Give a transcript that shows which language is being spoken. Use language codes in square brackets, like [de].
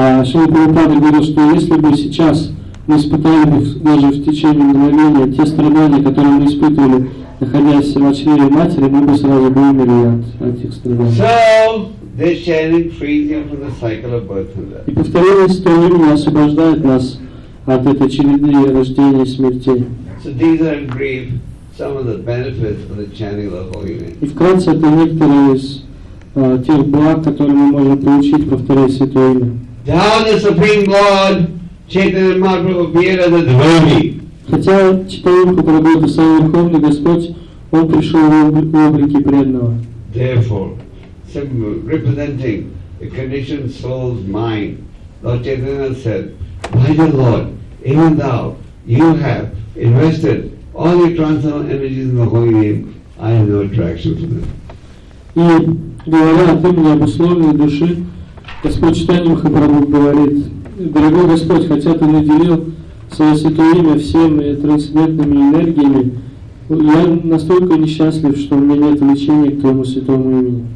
[ru] Шрила Прабхупада говорил, что если бы сейчас мы испытали бы даже в течение мгновения те страдания, которые мы испытывали, находясь в чреве матери, мы бы сразу бы умерли от этих страданий. [en] So, this chanting frees you from the cycle of birth and death. [ru] И повторение Святого Имени освобождает нас от этой череды рождения и смерти. [en] So these are in brief some of the benefits of the chanting of the Holy Name. [ru] И вкратце это некоторые из тех благ, которые мы можем получить, повторяя Святое Имя. [en] Down the Supreme Lord, Chaitanya Mahaprabhu appeared as a devotee. [ru] Хотя читаем по Прабхупаде, сам Верховный Господь, Он пришел в облике преданного. [en] Therefore, representing the conditioned soul's mind, Lord Chaitanya said, My dear Lord, even thou, you have invested all your transcendental energies in the Holy Name, I have no attraction to them. [ru] И говоря от имени обусловленной души, Господь Читания Махапрабху говорит, Дорогой Господь, хотя ты наделил Свое Святое Имя всеми трансцендентными энергиями, я настолько несчастлив, что у меня нет влечения к Твоему Святому Имени.